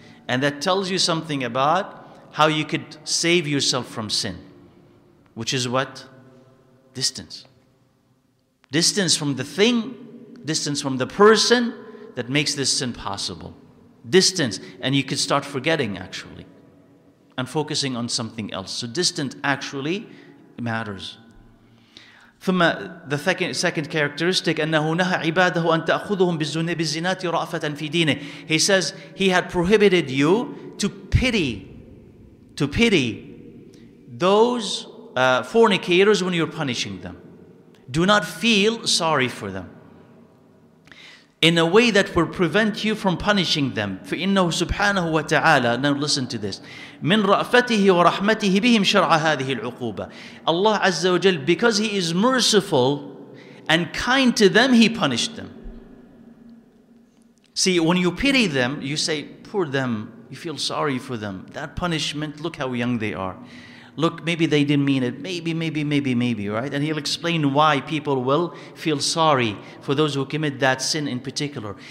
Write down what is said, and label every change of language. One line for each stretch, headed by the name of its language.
English: And that tells you something about how you could save yourself from sin, which is what? Distance. Distance from the thing, distance from the person that makes this sin possible. Distance. And you could start forgetting, actually, and focusing on something else. So distance actually matters.
Arabic: ثم
English: the second characteristic
Arabic: أنه نهى عباده أن تأخذهم بالزنات رأفة في دينه.
English: He says he had prohibited you to pity those fornicators when you're punishing them. Do not feel sorry for them. In a way that will prevent you from punishing them.
Arabic: فإنه سبحانه وتعالى.
English: Now listen to this.
Arabic: من رأفته ورحمته بهم شرع هذه العقوبة.
English: Allah Azza wa Jal, because He is merciful and kind to them, He punished them. See, when you pity them, you say, poor them, you feel sorry for them. That punishment, look how young they are. Look, maybe they didn't mean it. Maybe, right? And he'll explain why people will feel sorry for those who commit that sin in particular.